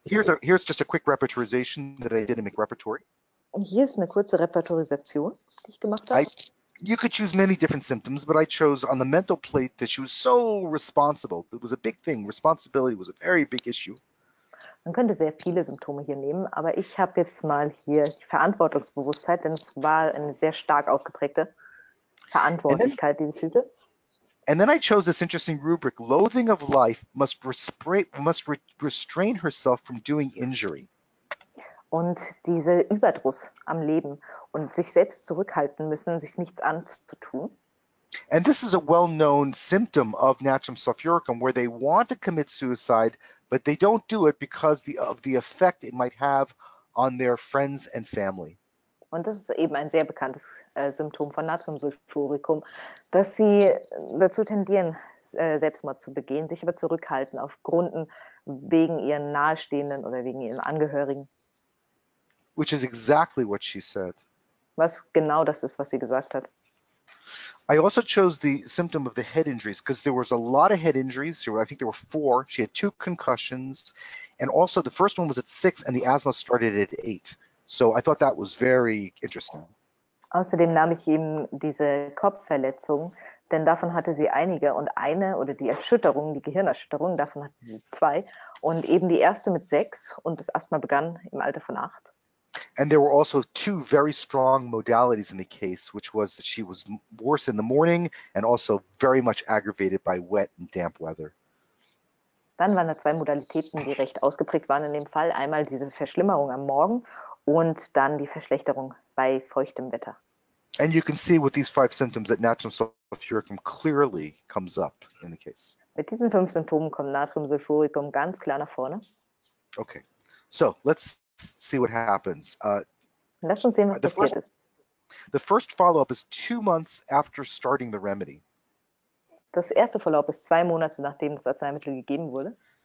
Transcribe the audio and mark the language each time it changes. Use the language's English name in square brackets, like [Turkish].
[English] Oh, here's just a quick repertorization that I did in my repertory. [German] Hier ist eine kurze Repertorisation, die ich gemacht habe. [English] You could choose many different symptoms, but I chose on the mental plate that she was so responsible. It was a big thing. Responsibility was a very big issue. [German] Man könnte sehr viele Symptome hier nehmen, aber ich habe jetzt mal hier die Verantwortungsbewusstheit, denn es war eine sehr stark ausgeprägte Verantwortlichkeit, die sie fühlte. [English] And then I chose this interesting rubric. Loathing of life must restrain herself from doing injury. [German] Und dieser Überdruss am Leben und sich selbst zurückhalten müssen, sich nichts anzutun. [English] And this is a well-known symptom of natrium sulfuricum, where they want to commit suicide, but they don't do it because of the effect it might have on their friends and family. [German] Und das ist eben ein sehr bekanntes Symptom von natrium sulfuricum, dass sie dazu tendieren, Selbstmord zu begehen, sich aber zurückhalten auf Gründen wegen ihren Nahestehenden oder wegen ihren Angehörigen. [English] Which is exactly what she said. [German] Was genau das ist, was sie gesagt hat. [English] I also chose the symptom of the head injuries because there was a lot of head injuries. I think there were four. She had two concussions. And also the first one was at 6 and the asthma started at 8. So I thought that was very interesting. [German] Außerdem nahm ich eben diese Kopfverletzung, denn davon hatte sie einige. Und eine oder die Erschütterung, die Gehirnerschütterung, davon hatte sie zwei. Und eben die erste mit 6 und das Asthma begann im Alter von 8. [English] And there were also two very strong modalities in the case, which was that she was worse in the morning and also very much aggravated by wet and damp weather. [German] Dann waren da zwei Modalitäten, die recht ausgeprägt waren in dem Fall. Einmal diese Verschlimmerung am Morgen und dann die Verschlechterung bei feuchtem Wetter. [English] And you can see with these five symptoms that natrium sulfuricum clearly comes up in the case. [German] Mit diesen fünf Symptomen kommt natrium sulfuricum ganz klar nach vorne. [English] Okay, so let's see what happens. [German] Lass uns sehen, was passiert ist. [English] The first follow-up is 2 months after starting the remedy. [German] Das erste Follow-up ist 2 Monate, nachdem das Arzneimittel gegeben wurde.